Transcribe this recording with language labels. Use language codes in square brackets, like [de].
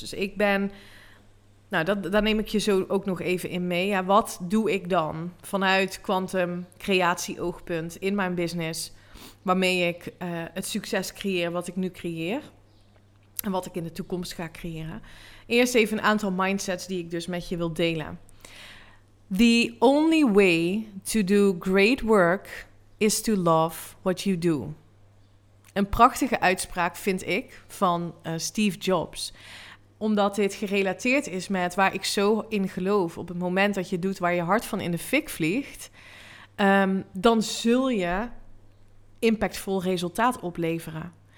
[nl] Dus ik ben, nou, daar neem ik je zo ook nog even in mee. Ja, wat doe ik dan vanuit quantum creatie oogpunt in mijn business, waarmee ik het succes creëer wat ik nu creëer en wat ik in de toekomst ga creëren? Eerst even een aantal mindsets die ik dus met je wil delen. [en] The only way to do great work is to love what you do. [nl] Een prachtige uitspraak vind ik van Steve Jobs, omdat dit gerelateerd is met waar ik zo in geloof. Op het moment dat je doet waar je hart van in de fik vliegt, dan zul je impactvol resultaat opleveren.